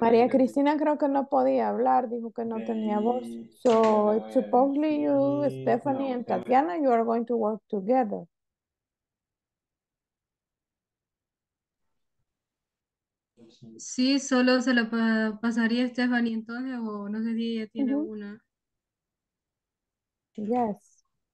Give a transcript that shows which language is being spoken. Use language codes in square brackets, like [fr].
[es] María Cristina creo que no podía hablar, dijo que no tenía voz. [en] So, supposedly you, Stephanie and Tatiana, you are going to work together. [es] Sí, solo se la pasaría a Stephanie entonces, o no sé si ella tiene una. [en] Yes.